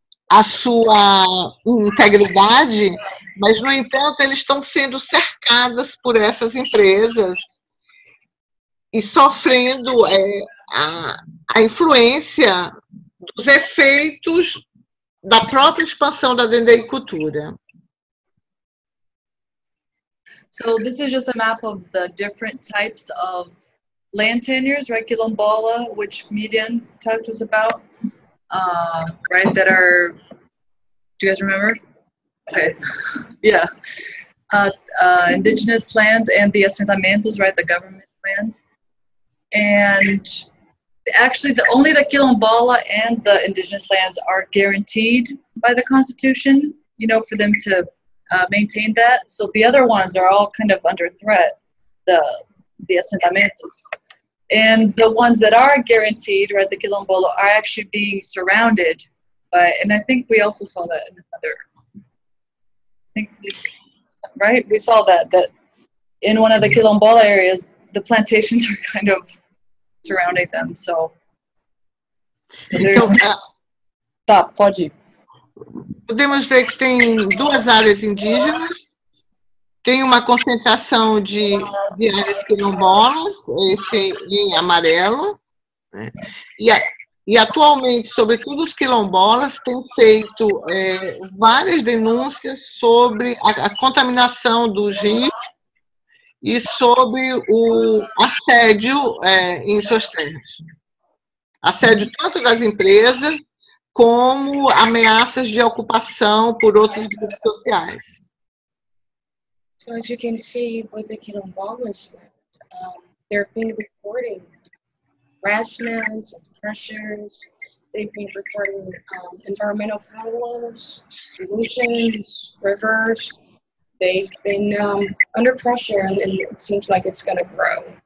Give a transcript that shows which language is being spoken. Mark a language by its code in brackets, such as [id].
[pt] a sua integridade, mas, no entanto, eles estão sendo cercados por essas empresas e sofrendo a influência dos efeitos da própria expansão da dendeicultura. [en] So this is just a map of the different types of land tenures, right? Quilombola, which Miriam talked to us about, right? That are, do you guys remember? Okay. Yeah. Indigenous lands and the assentamentos, right? The government lands. And actually, only the quilombola and the indigenous lands are guaranteed by the Constitution, you know, for them to maintain that. So the other ones are all kind of under threat, the asentamientos. And the ones that are guaranteed, right, the quilombola, are actually being surrounded by, and I think we also saw that in another, right? We saw that in one of the quilombola areas, the plantations are kind of surrounding them, so [pt] tá, pode ir. Podemos ver que tem duas áreas indígenas, tem uma concentração de áreas quilombolas, esse em amarelo, né? E atualmente, sobretudo os quilombolas, têm feito várias denúncias sobre a contaminação do rio e sobre o assédio em suas terras. Assédio tanto das empresas como ameaças de ocupação por outros grupos sociais. [en] So as you can see with the quilombolas, they're being reporting harassments and pressures. They've been reporting environmental problems, pollutions, rivers. They've been under pressure, and it seems like it's going to grow.